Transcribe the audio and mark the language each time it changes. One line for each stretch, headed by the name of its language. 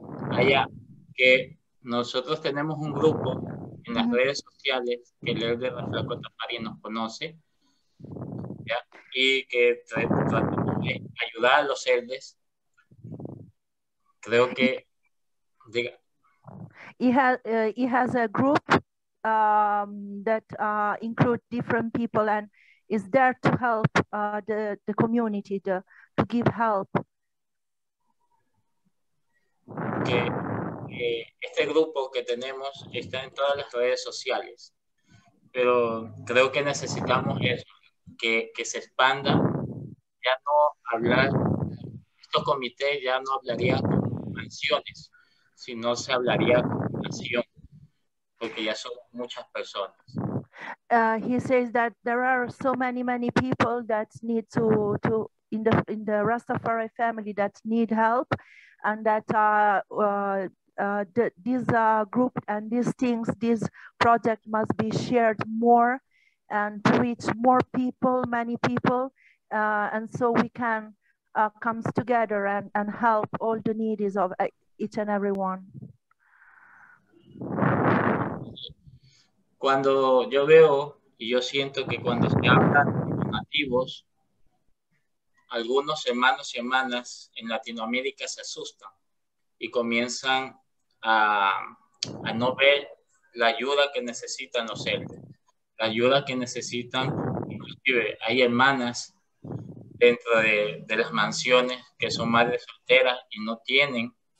Spanish: Allá, que nosotros tenemos un grupo en las mm-hmm. redes sociales que el Elder Rafael Cotafari nos conoce. ¿Ya? Y que tratamos de ayudar a los celdes, creo que, diga.
English: He has a group that includes different people and is there to help the community, to give help.
Spanish: Que este grupo que tenemos está en todas las redes sociales, pero creo que necesitamos eso. Que se expanda, ya no hablar, estos comités ya no hablarían como mansiones, sino se hablaría como nación, porque ya son muchas personas.
English: He says that there are so many, many people that need to in the Rastafari family that need help, and that this group and these things, this project must be shared more and to reach more people, many people, and so we can come together and help all the needs of each and everyone.
Spanish: cuando yo veo y yo siento que cuando se habla de los nativos, algunos hermanos y hermanas en Latinoamérica se asustan y comienzan a no ver la ayuda que necesitan los celdes, la ayuda que necesitan, inclusive hay hermanas dentro de las mansiones que son madres solteras y no tienen